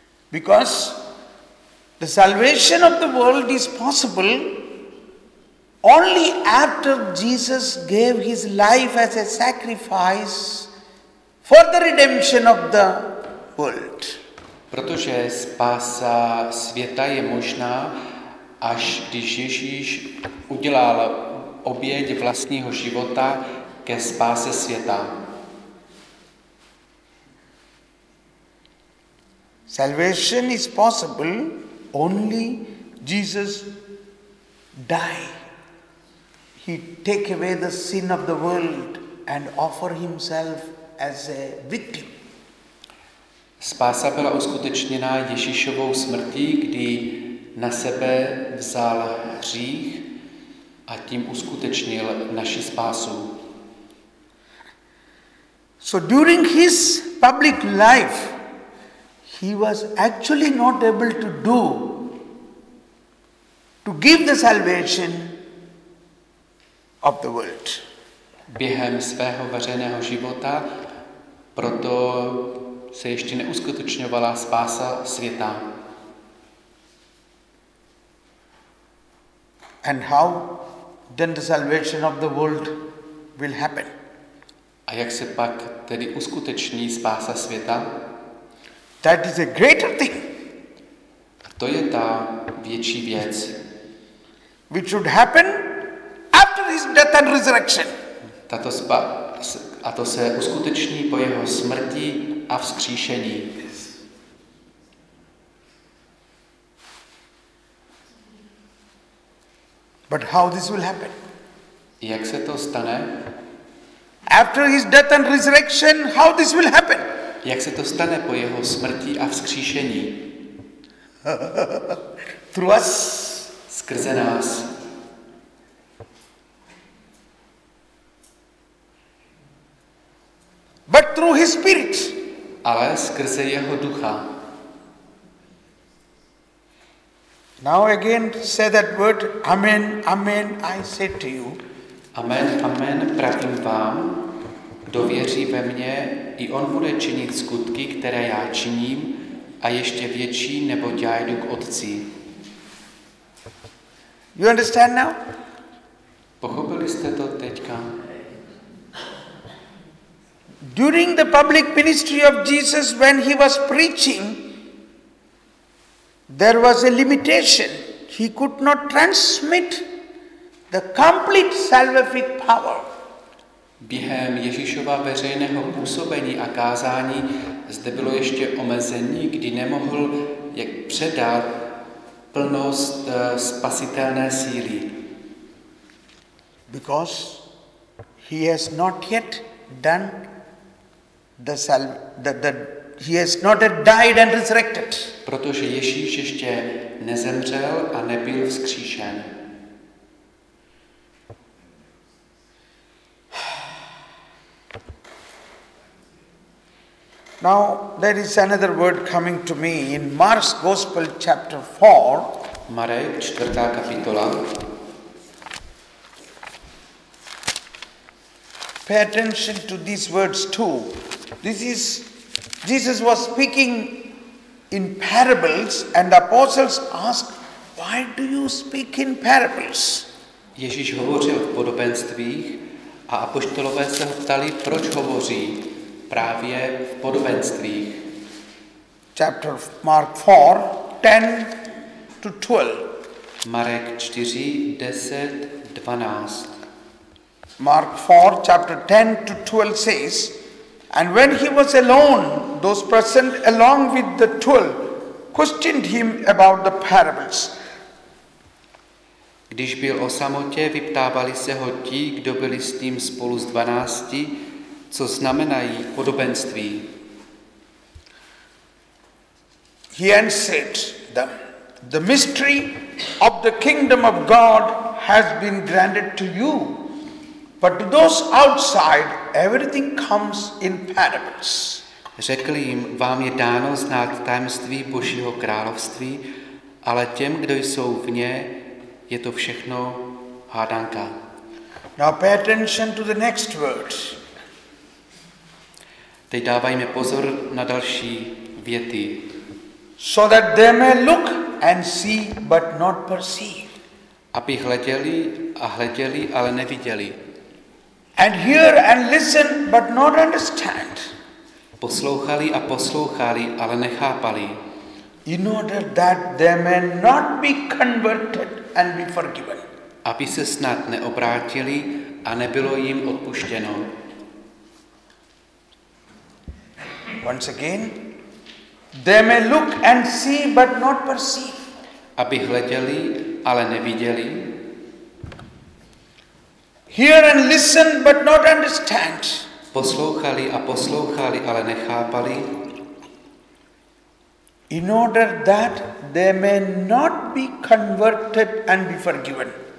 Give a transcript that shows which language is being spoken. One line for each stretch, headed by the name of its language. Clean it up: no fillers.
English: Because the salvation of the world is possible only after Jesus gave his life as a sacrifice for the redemption of the world.
Czech: Protože spása světa je možná, až když Ježíš udělal oběť vlastního života ke spáse světa.
English: Salvation is possible only Jesus die. He take away the sin of the world and offer himself as a victim.
Czech: Spása byla uskutečněna Ježíšovou smrtí, kdy na sebe vzal hřích a tím uskutečnil naši spásu.
English: So during his public life, he was actually not able to do to give the salvation of the world.
Czech: Během svého veřejného života proto se ještě neuskutečňovala spása světa.
English: And how then the salvation of the world will happen?
Czech: A jak se pak tedy uskuteční spása světa?
English: That is a greater thing.
Czech: A to je ta větší věc.
English: Which should happen after his death and resurrection.
Czech: Tato spa, a to se uskuteční po jeho smrti a vzkříšení.
English: But how this will happen?
Czech: Jak se to stane?
English: After his death and resurrection, how this will happen?
Czech: Jak se to stane po jeho smrti a vzkříšení?
English: Through us.
Czech: Skrze nás.
English: But through his spirit.
Czech: Ale skrze jeho ducha.
English: Now again say that word amen amen I say to you
Czech: amen amen pravím vám kdo věří ve mě i on bude činit skutky které já činím a ještě větší neboť já jdu k otci.
English: You understand now?
Czech: Pochopili jste to teďka?
English: During the public ministry of Jesus when he was preaching there was a limitation. He could not transmit the complete salvific power.
Czech: Během Ježíšova veřejného působení a kázání zde bylo ještě omezení, kdy nemohl jak předat plnost spasitelné síly.
English: Because he has not yet done he has not yet died and resurrected.
Czech: Protože Ježíš ještě nezemřel a nebyl vzkříšen.
English: Now there is another word coming to me in Mark's Gospel chapter 4.
Czech: Marek 4. kapitola.
English: Pay attention to these words too. This is Jesus was speaking in parables and the apostles asked, why do you speak in parables?
Czech: Ježíš hovořil v podobenstvích a apoštolové se ho ptali, proč hovoří právě v podobenstvích.
English: Chapter Mark 4, 10 to 12.
Czech: Marek 4, 10, 12.
English: Mark 4, chapter 10 to 12 says, and when he was alone, those present along with the 12 questioned him about the parables.
Czech: Když byl o samotě, vyptávali se ho ti, kdo byli s ním spolu z 12, co znamenají podobenství.
English: He answered them, the mystery of the kingdom of God has been granted to you. But to those outside, everything comes in parables.
Czech: Řekl jim, vám je dáno znát tajemství Božího království, ale těm, kdo jsou vně, je to všechno hádanka.
English: Now pay attention to the next word.
Czech: Teď dávajme pozor na další věty.
English: So that they may look and see, but not perceive.
Czech: Aby hleděli a hleděli, ale neviděli.
English: And hear and listen, but not understand.
Czech: Poslouchali a poslouchali, ale nechápali.
English: In order that they may not be converted and be forgiven.
Czech: Aby se snad neobrátili a nebylo jim odpuštěno.
English: Once again, they may look and see, but not perceive.
Czech: Aby hleděli, ale neviděli.
English: Hear and listen, but not understand.
Czech: Poslouchali a poslouchali, ale nechápali.
English: In order that they may not be converted and be forgiven.